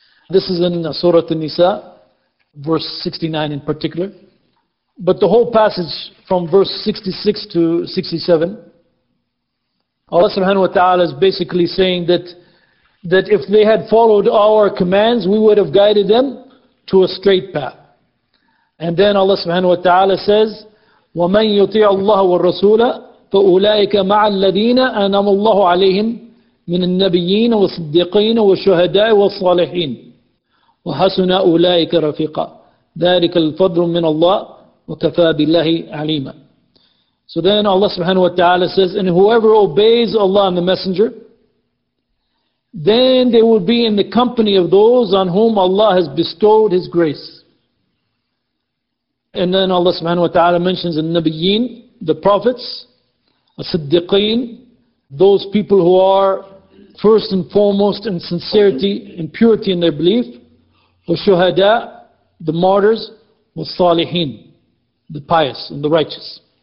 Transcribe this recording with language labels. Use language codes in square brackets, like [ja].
[en] This is in Surah An-Nisa, verse 69 in particular. But the whole passage from verse 66 to 67, Allah subhanahu wa ta'ala is basically saying that if they had followed our commands, we would have guided them to a straight path. And then Allah subhanahu wa ta'ala says, [ar] وَمَنْ يُطِعَ اللَّهَ وَالرَّسُولَ فَأُولَٰئِكَ مَعَ الَّذِينَ أَنَمُ اللَّهُ عَلَيْهِمْ مِنَ النَّبِيِّينَ وَالصِّدِّقِينَ وَالشُّهَدَاءِ وَالصَّالِحِينَ وَحَسُنَ أُولَٰئِكَ رَفِيقًا ذَلِكَ الْفَضْلُ مِنَ اللَّهِ وَكَفَى بِاللَّهِ عَلِيمًا. [en] So then Allah subhanahu wa ta'ala says, and whoever obeys Allah and the Messenger, then they will be in the company of those on whom Allah has bestowed His grace. And then Allah subhanahu wa ta'ala mentions the Nabiyeen, the prophets, the Siddiqeen, those people who are first and foremost in sincerity and purity in their belief, the shuhada, the martyrs, the salihin, the pious and the righteous.